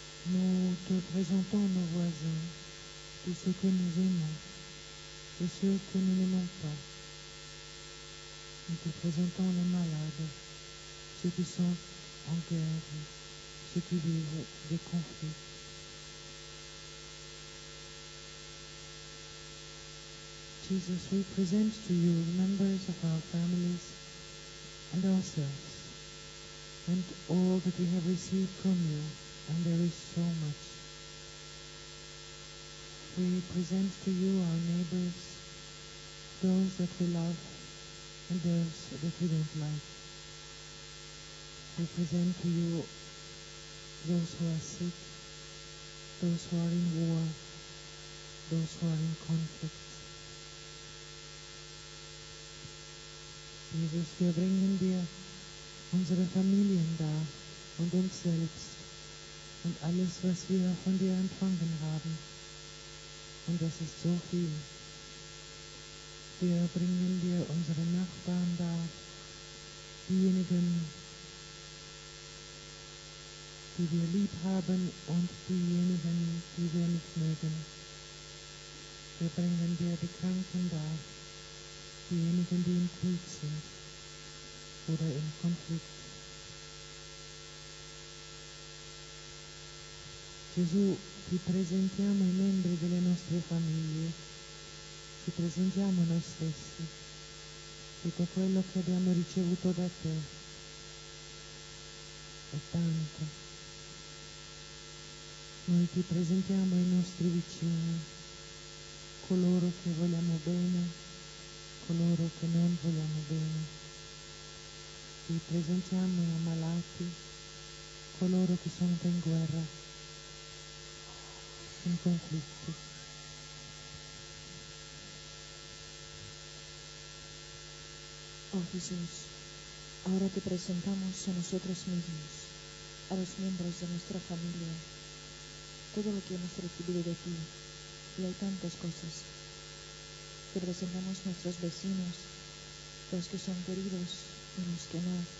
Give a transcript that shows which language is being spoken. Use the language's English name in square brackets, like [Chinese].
[French] Nous te présentons nos voisins, tout ce que nous aimons et ce que nous n'aimons pas. Nous te présentons les malades, ceux qui sont en guerre, ceux qui vivent des conflits. [English] Jesus, we present to you the members of our families and ourselves and all that we have received from you, and there is so much. We present to you our neighbors, those that we love and those that we don't like. We present to you those who are sick, those who are in war, those who are in conflict. [German] Jesus, wir bringen dir unsere Familien da und uns selbst und alles, was wir von dir empfangen haben. Und das ist so viel. Wir bringen dir unsere Nachbarn da, diejenigen, die wir lieb haben und diejenigen, die wir nicht mögen. Wir bringen dir die Kranken da, diejenigen, die im Krieg sind oder im Konflikt. [Italian] Gesù, ti presentiamo i membri delle nostre famiglie, ti presentiamo noi stessi, tutto quello che abbiamo ricevuto da te, è tanto. Noi ti presentiamo i nostri vicini, coloro che vogliamo bene, coloro che non vogliamo bene. Ti presentiamo i malati, coloro che sono in guerra, in conflitto. [Spanish] Oh Jesús, ahora te presentamos a nosotros mismos, a los miembros de nuestra familia, todo lo que hemos recibido de ti, y hay tantas cosas. Te presentamos a nuestros vecinos, los que son queridos, los que no.